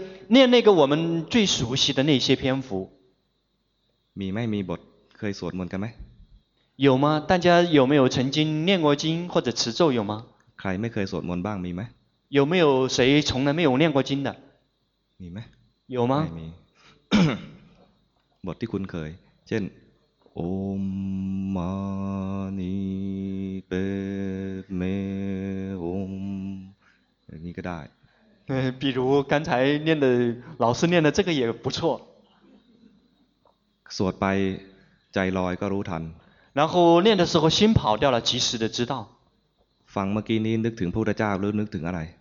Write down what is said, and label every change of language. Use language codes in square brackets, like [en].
[zh] 念那个我们最熟悉的那些篇幅 [th] มีไม่มีบทเคยสวดมนต์กันไหม [zh] 有吗大家有没有曾经念过经或者持咒有吗 [th] ใครไม่เคยสวดมนต์บ้างมีไหม [zh] 有没有谁从来没有念过经的 [th] มีไหม [zh] 有吗 [th] ไม่มีบทที่คุ้นเคยเช่นโอมมานิเปเมโอมนี่ก็ได้ [zh] 比如刚才念的老师念的这个也不错 [th] สวดไปใจลอยก็รู้ทัน [zh] 然后念的时候心跑掉了及时的知道 [th] ฟังเมื่อกี้นี้นึกถึงพระพุทธเจ้าหรือนึกถึงอะไร